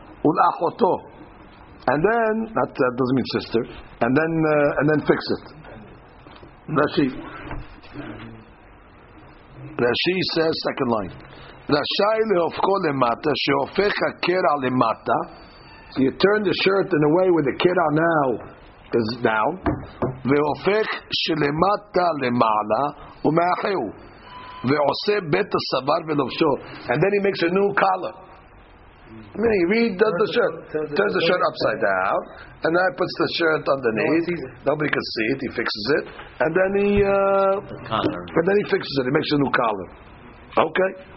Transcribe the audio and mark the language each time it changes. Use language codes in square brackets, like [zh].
[en] Ulachoto, and then that doesn't mean sister, and then fix it. Rashi says second line. [he] Rashi leofko lemata sheofecha kera lemata. [en] So you turn the shirt in a way where the kera now is down. [he] והופך שלמטה למעלה ומאחהו ועושה בית הסבר ולובשו. [en] And then he makes a new collar. I mean, he redoes the shirt, turns the shirt upside down, and then he puts the shirt underneath. Nobody can see it. He fixes it, and then he fixes it. He makes a new collar. Okay.